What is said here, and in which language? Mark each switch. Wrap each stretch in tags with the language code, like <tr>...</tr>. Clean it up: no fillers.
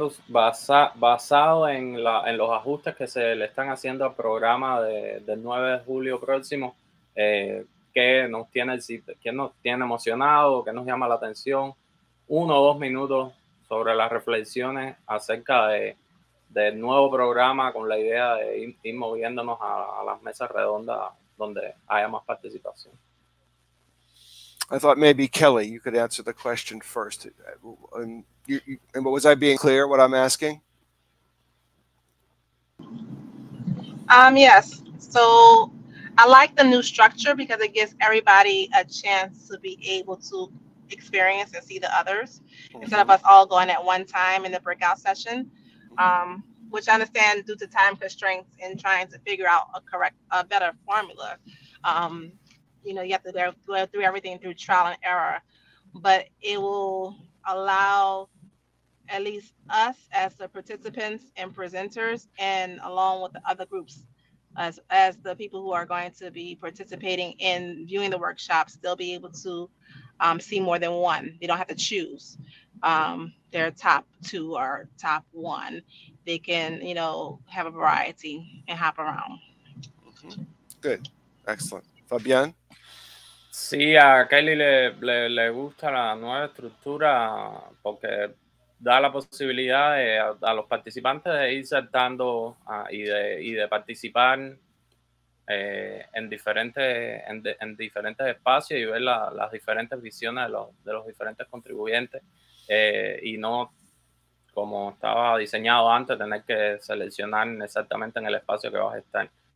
<es>Basado en los ajustes que se le están haciendo al programa del 9 de julio próximo, ¿qué nos tiene emocionado? ¿Qué nos llama la atención? Uno o dos minutos sobre las reflexiones acerca del nuevo programa con la idea de ir moviéndonos a las mesas redondas donde haya más participación.</es> <en>I thought maybe Kelly, you could answer the question first. And was I being clear what I'm asking? Yes. So I like the new structure because it gives everybody a chance to be able to experience and see the others instead of us all going at one time in the breakout session, which I understand due to time constraints in trying to figure out a better formula. You have to go through everything through trial and error, but it will allow at least us as the participants and presenters, and along with the other groups as the people who are going to be participating in viewing the workshops, they'll be able to see more than one. They don't have to choose their top two or top one. They can, have a variety and hop around. Good. Excellent. Fabian?</en> <es>Sí, a Kelly le gusta la nueva estructura porque da la posibilidad a los participantes de ir saltando y de participar en diferentes espacios y ver las diferentes visiones de los diferentes contribuyentes y no como estaba diseñado antes, tener que seleccionar exactamente en el espacio que vas a estar.</es>